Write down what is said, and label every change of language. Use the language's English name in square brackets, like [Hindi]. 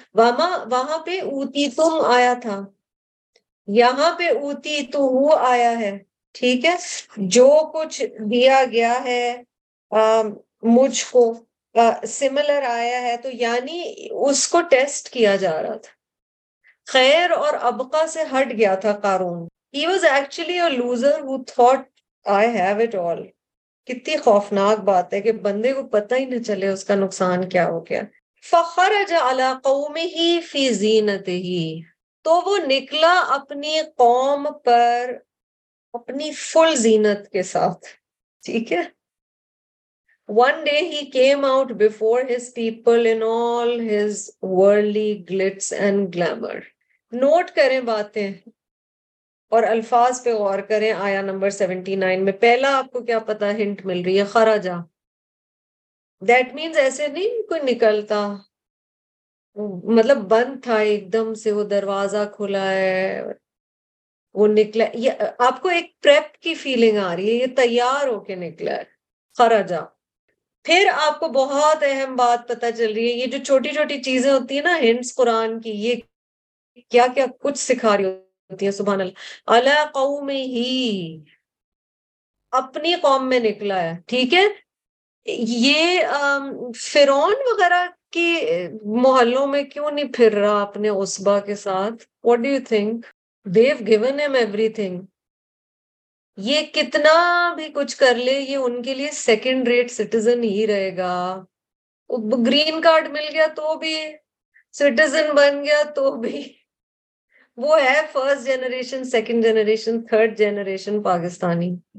[Urdu] وَمَا وہاں پہ أُوتِيتُم آیا تھا, یہاں پہ أُوتِيتُهُ آیا ہے, ٹھیک ہے, جو کچھ دیا گیا ہے مجھ کو سملر آیا ہے, تو یعنی اس کو ٹیسٹ کیا جا رہا تھا. خیر اور ابقا سے ہٹ گیا تھا قارون. [English] He was actually a loser who thought I have it all. [Urdu] کتنی خوفناک بات ہے کہ بندے کو پتہ ہی نہ چلے اس کا نقصان کیا ہو گیا. [Arabic] فخرج علی قومہ فی زینتہ, [Urdu] تو وہ نکلا اپنی قوم پر اپنی فل زینت کے ساتھ, ٹھیک ہے. [English] One day he came out before his people in all his worldly glitz and glamour. [Urdu] Note کریں باتیں اور الفاظ پہ غور کریں. آیا نمبر 79 میں پہلا آپ کو کیا پتا ہنٹ مل رہی ہے, خرجا, [English] that means [Urdu] ایسے نہیں کوئی نکلتا, مطلب بند تھا ایک دم سے, وہ دروازہ کھلا ہے, وہ نکلا. یہ آپ کو ایک پریپ کی فیلنگ آ رہی ہے, یہ تیار ہو کے نکلا ہے. خرجا, پھر آپ کو بہت اہم بات پتہ چل رہی ہے, یہ جو چھوٹی چھوٹی چیزیں ہوتی ہیں نا ہنٹس قرآن کی, یہ کیا کیا کچھ سکھا رہی ہوتی ہیں. سبحان اللہ. [Arabic] علی قوم ہی, [Urdu] اپنی قوم میں نکلا ہے, ٹھیک ہے. یہ فرعون وغیرہ کے محلوں میں کیوں نہیں پھر رہا اپنے عصبا کے ساتھ؟ [English] What do you think? They've given him everything. [Urdu] یہ کتنا بھی کچھ کر لے یہ ان کے لیے سیکنڈ ریٹ سٹیزن ہی رہے گا. گرین کارڈ مل گیا تو بھی, سٹیزن بن گیا تو بھی, وہ ہے first generation, second generation, third generation Pakistani.